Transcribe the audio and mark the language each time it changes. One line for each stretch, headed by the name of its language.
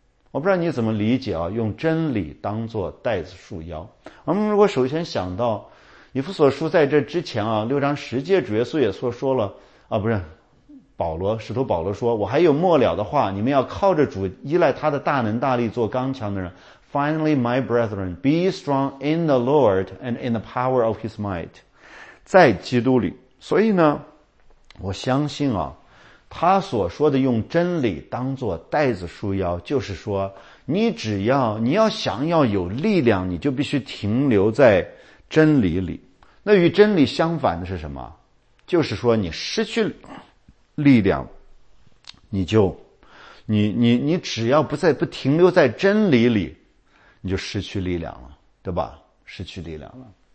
Chinese: 我不知道你怎么理解啊，用真理当作带子束腰。我们如果首先想到以弗所书在这之前啊，六章十节主耶稣也说了啊，不是保罗，使徒保罗说，我还有末了的话，你们要靠着主，依赖他的大能大力，做刚强的人。
English: Finally, my brethren, be strong in the Lord and in the power of his might.
Chinese: 在基督里，所以呢，我相信啊，他所说的用真理当作带子束腰，就是说，你要想要有力量，你就必须停留在真理里。那与真理相反的是什么？就是说，你失去力量，你只要不停留在真理里，你就失去力量了，对吧？失去力量了。